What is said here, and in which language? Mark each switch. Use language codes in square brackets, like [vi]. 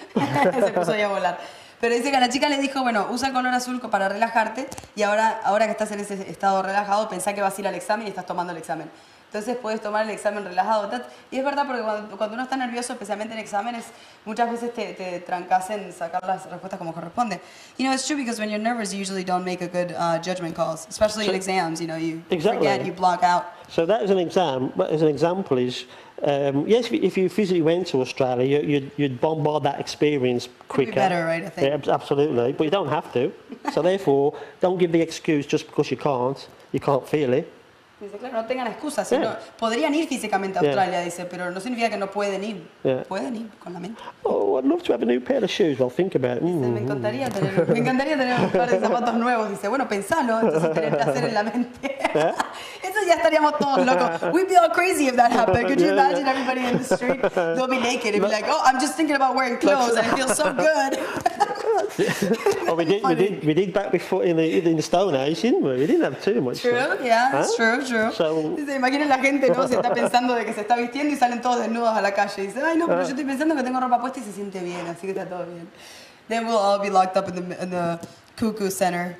[es] Se puso ahí a volar. Pero dice que la chica le dijo, bueno, usa color azul para relajarte y ahora que estás en ese estado relajado, pensá que vas a ir al examen y estás tomando el examen. Entonces puedes tomar el examen relajado. Y es verdad, porque cuando uno está nervioso, especialmente en exámenes, muchas veces te trancas en sacar las respuestas como corresponde. [en] You know, it's true, because when you're nervous, you usually don't make a good judgment calls, especially in exams, you know, you forget, you block out. So that is an exam, but as an example is, yes, if you physically went to Australia, you'd bombard that experience quicker. It'd be better, right, I think. Yeah, absolutely, but you don't have to. So therefore, don't give the excuse just because you can't feel it. [es] Dice, claro, no tengan excusas, sino podrían ir físicamente a Australia, dice, pero no significa que no pueden ir. [en] Yeah. [es] Pueden ir con la mente. [en] Oh, I'd love to have a new pair of shoes, I'll think about it. [es] Dice, me encantaría tener un par de zapatos nuevos. Dice, bueno, pensalo, entonces tener placer en la mente. [en] Yeah. [es] Eso ya estaríamos todos locos. [en] We'd be all crazy if that happened. Could you imagine everybody in the street? They'll be naked and be like, oh, I'm just thinking about wearing clothes and it feels so good. Oh, we did back before in the Stone Age, didn't we? We didn't have too much. True. [es] So, imaginen la gente, ¿no? Se está pensando de que se está vistiendo y salen todos desnudos a la calle. Dice, ay, no, pero yo estoy pensando que tengo ropa puesta y se siente bien, así que está todo bien. [en] Then we'll all be locked up in the cuckoo center.